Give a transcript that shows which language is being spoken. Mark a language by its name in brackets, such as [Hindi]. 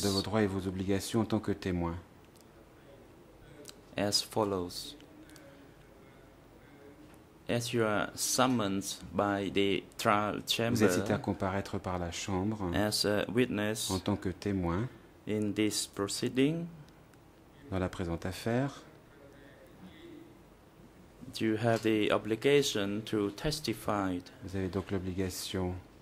[French] De vos droits et vos obligations en tant que témoin. [English] As follows. As you are summoned by the trial chamber. [French] Vous êtes cité à comparaître par la chambre. [English] As a witness. [French] En tant que témoin. [English] In this proceeding. [French] Dans la présente affaire, [English] you have the obligation to testify. [French] Vous avez donc l'obligation